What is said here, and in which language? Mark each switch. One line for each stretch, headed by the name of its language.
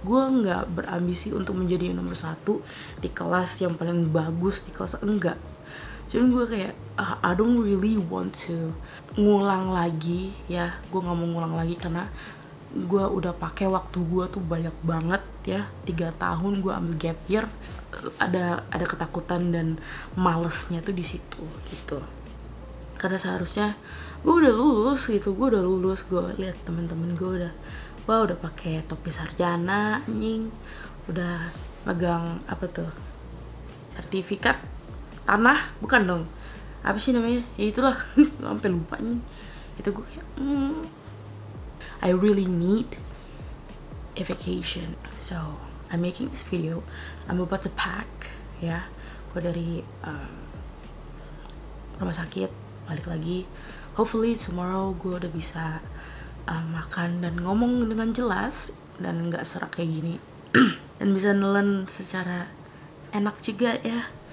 Indonesian: Gue gak berambisi untuk menjadi nomor satu di kelas yang paling bagus di kelas. Enggak. Cuman gue kayak,
English: I don't really want to
Indonesian: ngulang lagi ya. Gue gak mau ngulang lagi karena gue udah pakai waktu gue tuh banyak banget ya. 3 tahun gue ambil gap year, ada ketakutan dan malesnya tuh di situ gitu. Karena seharusnya gue udah lulus gitu, gue udah lulus, gue lihat temen-temen gue udah, wah udah pakai topi sarjana anjing, udah megang apa tuh sertifikat tanah, bukan dong, apa sih namanya, ya itulah, sampai lupa anjing. Itu gue kayak
English: I really need a vacation, so I'm making this video. I'm about to pack, ya.
Indonesian: Gue dari rumah sakit balik lagi.
English: Hopefully tomorrow
Indonesian: gue udah bisa makan dan ngomong dengan jelas dan nggak serak kayak gini. Dan bisa nelen secara enak juga ya.